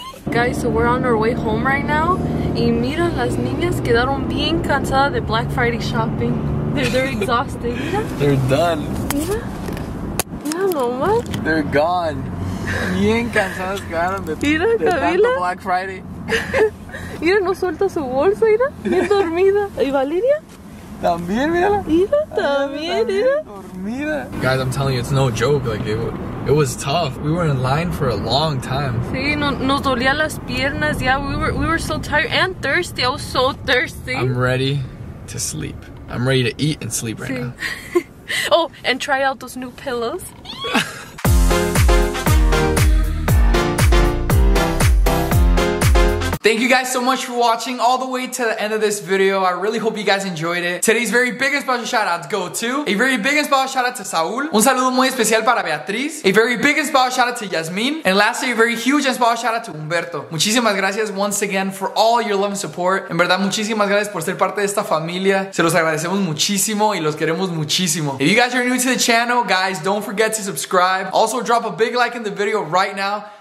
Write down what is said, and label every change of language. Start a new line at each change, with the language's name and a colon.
English: Guys, so we're on our way home right now.
Spanish: Y mira, las niñas quedaron bien cansadas de Black Friday shopping.
English: They're exhausted.
Spanish: Mira.
English: They're done.
Spanish: Mira. Mira, mamá.
English: They're gone.
Spanish: Bien cansados quedaron mira, de tanto Black Friday. Mira, no suelta su bolsa, mira. Bien dormida. ¿Y Valeria? También, mírala. Mira, también, mira. Dormida.
English: Guys, I'm telling you, it's no joke. Like, it was tough. We were in line for a long time.
Spanish: Sí, nos dolía las piernas.
English: Yeah, we were so tired and thirsty. I was so thirsty. I'm ready to sleep. I'm ready to eat and sleep right now. Oh, and try out those new pillows. Thank you guys so much for watching all the way to the end of this video. I really hope you guys enjoyed it. Today's very big and special shout outs go to a very big and special shout out to Saul.
Spanish: Un saludo muy especial para Beatriz.
English: A very big and special shout out to Yasmin. And lastly, a very huge and special shout out to Humberto.
Spanish: Muchísimas gracias
English: once again for all your love and support.
Spanish: En verdad, muchísimas gracias por ser parte de esta familia. Se los agradecemos muchísimo y los queremos muchísimo.
English: If you guys are new to the channel, guys, don't forget to subscribe. Also, drop a big like in the video right now.